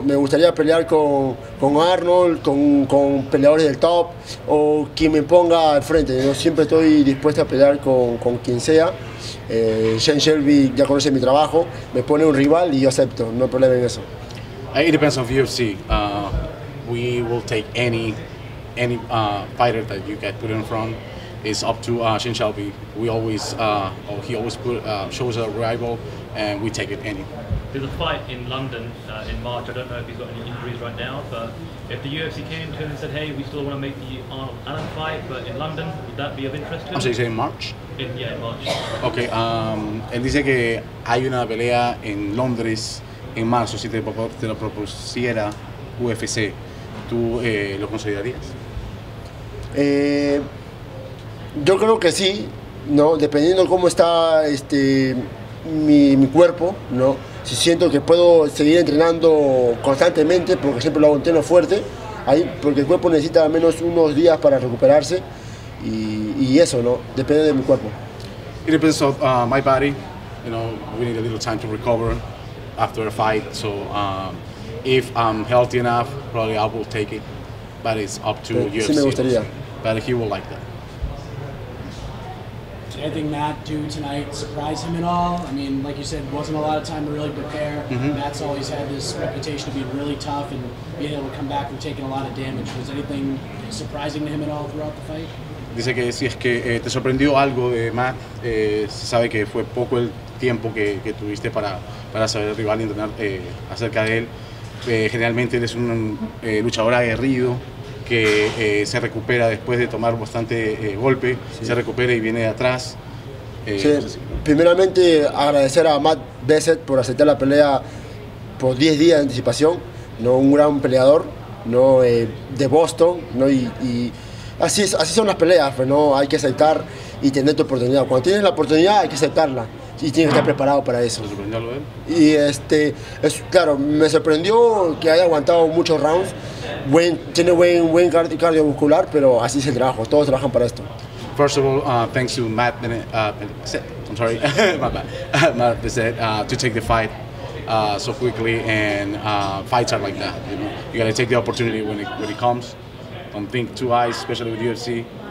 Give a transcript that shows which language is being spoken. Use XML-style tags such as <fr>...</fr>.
<es>Me gustaría pelear con Arnold, con peleadores del top o quien me ponga al frente. Yo siempre estoy dispuesto a pelear con quien sea. Shane Shelby ya conoce mi trabajo, me pone un rival y yo acepto, no hay problema en eso.</es> <en>It depends on UFC. We will take any fighter that you get put in front. It's up to Shane Shelby. We always, he always shows a rival and we take it any. There's a fight in London in March. I don't know if he's got any injuries right now, but if the UFC came to him and said, hey, we still want to make the Arnold Allen fight, but in London, would that be of interest to him? I'm sorry, you say in March? In March.</en> <es>Okay, él dice que hay una pelea en Londres en marzo. Si te lo propusiera UFC, ¿tú lo considerarías? Yo creo que sí, ¿no? Dependiendo cómo está mi cuerpo, ¿no? Si siento que puedo seguir entrenando constantemente, porque siempre lo hago entreno fuerte, ahí, porque el cuerpo necesita al menos unos días para recuperarse, y eso, ¿no? Depende de mi cuerpo.</es> <en>It depends of my body, you know, we need a little time to recover after a fight, so if I'm healthy enough, probably I will take it, but it's up to you.</en> <es>Sí, me gustaría.</es> <en>But he will like that. Did anything Matt do tonight surprise him at all? I mean, like you said, wasn't a lot of time to really prepare. Mm-hmm. Matt's always had this reputation of being really tough and being able to come back from taking a lot of damage. Was anything surprising to him at all throughout the fight?</en> <es>Dice que si es que te sorprendió algo de Matt, se sabe que fue poco el tiempo que tuviste para saber el rival y entrenar acerca de él. Generalmente él es un luchador aguerrido. Que se recupera después de tomar bastante golpe, sí. Se recupera y viene de atrás. Sí. Primeramente agradecer a Matt Bessett por aceptar la pelea por 10 días de anticipación, ¿no? Un gran peleador, ¿no? De Boston, ¿no? y así son las peleas, ¿no? Hay que aceptar y tener tu oportunidad. Cuando tienes la oportunidad hay que aceptarla. y tiene que estar preparado para eso. Y es claro, me sorprendió que haya aguantado muchos rounds. Tiene buen cardio muscular, pero así es el trabajo. Todos trabajan para esto.</es> <en>First of all, thanks to Matt Bissett. I'm sorry, Matt Bissett, to take the fight so quickly, and fights are like that. You know, you gotta take the opportunity when it comes. Don't think too high, especially with UFC.</en>